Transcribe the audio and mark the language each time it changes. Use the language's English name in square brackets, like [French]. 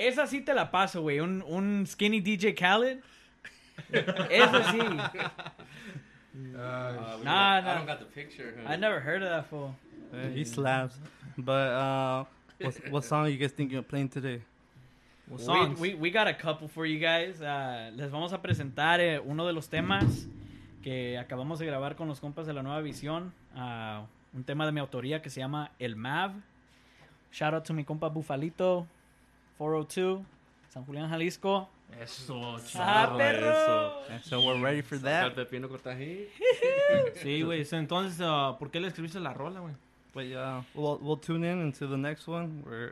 [Spanish] Esa sí te la paso, güey. Un skinny DJ Khaled. Esa sí. Nah. [English] I don't got the picture. Huh? I never heard of that fool. Man, he slaps. But what song are you guys thinking of playing today? We got a couple for you guys. [Spanish] Les vamos a presentar uno de los temas que acabamos de grabar con los compas de La Nueva Visión. Un tema de mi autoría que se llama El Mav. [English] Shout out to [Spanish] mi compa [English] Bufalito, 402, San Julián, Jalisco. [Spanish] Eso, chaparro. [English] So we're ready for that. [Spanish] De pino cortají. Sí, güey. Entonces, ¿por qué le escribiste la rola, güey? Pues ya, [English] we'll tune in into the next one.